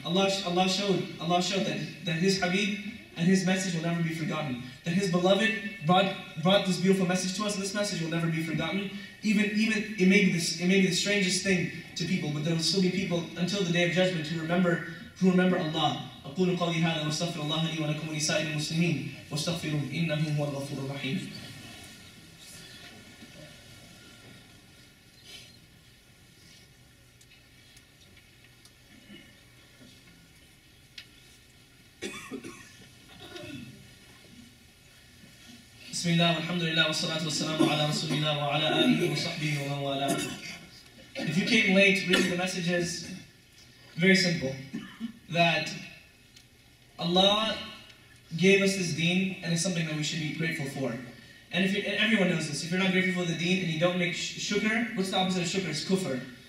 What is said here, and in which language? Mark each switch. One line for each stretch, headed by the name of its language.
English: Allah showed that his Habib and his message will never be forgotten. That his beloved brought this beautiful message to us, and this message will never be forgotten. Even it may be the strangest thing to people, but there will still be people until the Day of Judgment who remember Allah.
Arabic: أقول قولي هذا واستغفر الله لي ولكم ولسائر المسلمين واستغفروه إنه هو الغفور الرحيم. بسم الله والحمد لله والصلاة والسلام على رسول الله وعلى آله وصحبه ومن والاه.
English: If you came late, read the messages. Very simple. That Allah gave us this deen, and it's something that we should be grateful for. And everyone knows this. If you're not grateful for the deen and you don't make shukr, what's the opposite of shukr? It's kufr.